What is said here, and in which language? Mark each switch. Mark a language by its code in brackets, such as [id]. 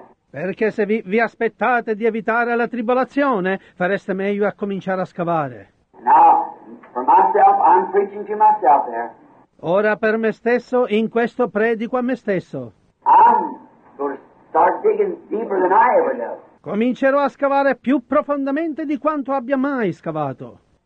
[it] Perché se vi aspettate di evitare la tribolazione, fareste meglio a cominciare a scavare. [en] Now, for myself, I'm preaching to myself there. [it] Ora per me stesso, in questo predico a me stesso. [en] I'm going to start digging deeper than I ever did. [it] Comincerò a scavare più profondamente di quanto abbia mai scavato.